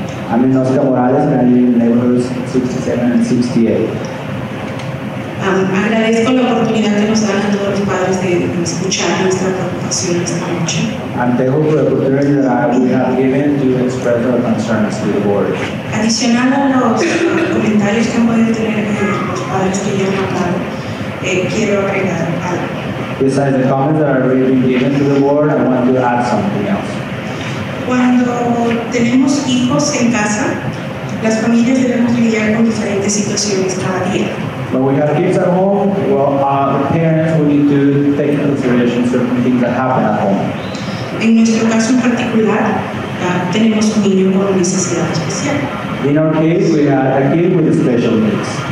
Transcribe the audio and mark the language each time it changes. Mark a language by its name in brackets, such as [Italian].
[English] I'm in Oscar Morales and I live in neighborhoods 67 and 68. [Spanish] Agradezco la oportunidad que nos dan a todos los padres de escuchar nuestra preocupación esta noche. [English] I'm thankful for the opportunity that we have given to express our concerns to the board. [Spanish] Adicional a los comentarios que han podido tener los padres que ya han hablado, quiero agregar algo. [English] Besides the comments that are already given to the board, I want to add something else. [Spanish] Cuando tenemos hijos en casa, las familias debemos lidiar con diferentes situaciones cada día. [English] When we have kids at home, well, the parents we need to take into consideration certain things that happen at home. [Spanish] En nuestro caso en particular, tenemos un niño con necesidad especial. [English] In our case, we have a kid with special needs.